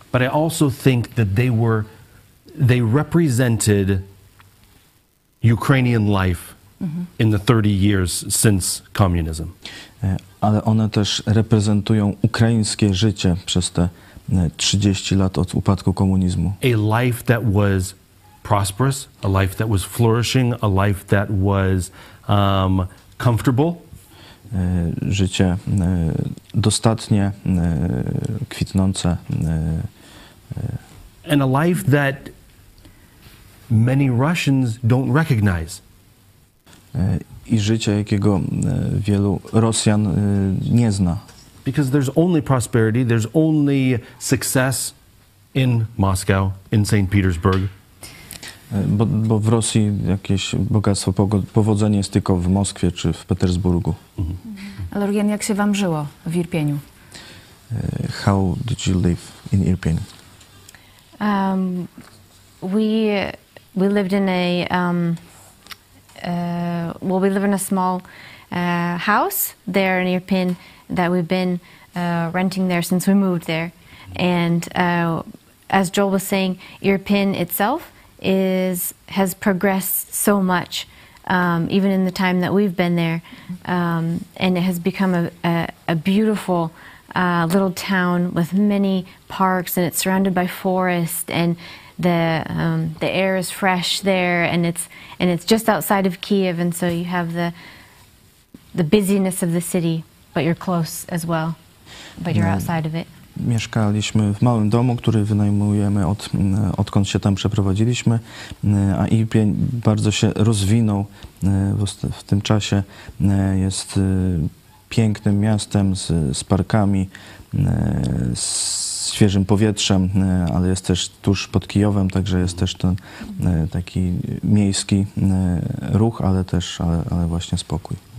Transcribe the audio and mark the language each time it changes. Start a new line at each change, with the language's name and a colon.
English: But I also think that they represented Ukrainian life in the 30 years since communism.
Polish: Ale one też reprezentują ukraińskie życie przez te 30 lat od upadku komunizmu.
English: A life that was prosperous, a life that was flourishing, a life that was comfortable.
Polish: Życie dostatnie, kwitnące.
English: And a life that many Russians don't recognize.
Polish: I życie, jakiego wielu Rosjan nie zna.
English: Because there's only prosperity, there's only success in Moscow, in St. Petersburg.
Polish: Bo w Rosji jakieś bogactwo, powodzenie jest tylko w Moskwie czy w Petersburgu. Ale Eugen, jak się wam żyło w Irpieniu?
English: How did you live in Irpin? We lived in a we live in a small house there in Irpin that we've been renting there since we moved there. And as Joel was saying, Irpin itself has progressed so much, even in the time that we've been there. And it has become a beautiful little town with many parks, and it's surrounded by forest, and the air is fresh there, and it's just outside of Kiev, and so you have the busyness of the city, but you're close as well, but you're outside of it.
Polish: Mieszkaliśmy w małym domu, który wynajmujemy odkąd się tam przeprowadziliśmy, a Irpień bardzo się rozwinął w tym czasie. Jest pięknym miastem z parkami, z świeżym powietrzem, ale jest też tuż pod Kijowem, także jest też ten taki miejski ruch, ale właśnie spokój.